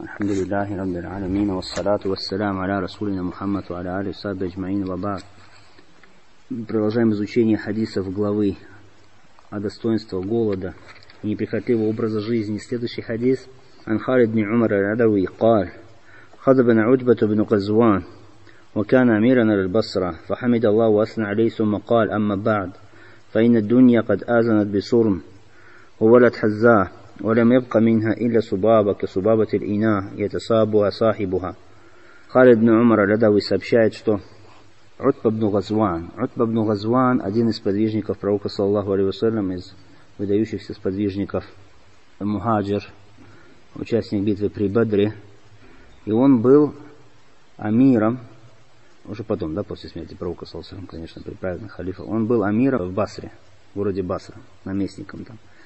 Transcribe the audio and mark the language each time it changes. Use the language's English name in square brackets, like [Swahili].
[Arabic] الحمد لله رب العالمين والصلاة والسلام على رسولنا محمد وعلى آله وصحبه أجمعين وبعد. [Russian] Продолжаем изучение хадисов главы о достоинстве голода и неприхотливого образа жизни. Следующий хадис. [Arabic] عن خالد بن عمر العدوي قال خطبنا عتبة بن قزوان وكان أميرا للبصرة فحمد الله وأثنى عليه ثم قال أما بعد فإن الدنيا قد آزنت بصرم وولد حزاء ولم يبق منها إلا سبابة كسبابة الإناء يتصابها صاحبها. [Russian] خالد بن عمر العدوي сообщает, что Утба ибн Газван, один из подвижников пророка, саллаллаху алейхи ва саллям, из выдающихся сподвижников, мухаджир, участник битвы при Бадре, и он был амиром, уже потом, да, после смерти пророка, саллаллаху алейхи ва саллям, конечно, при праведных халифах, он был амиром в Басре, в городе Басра, наместником там.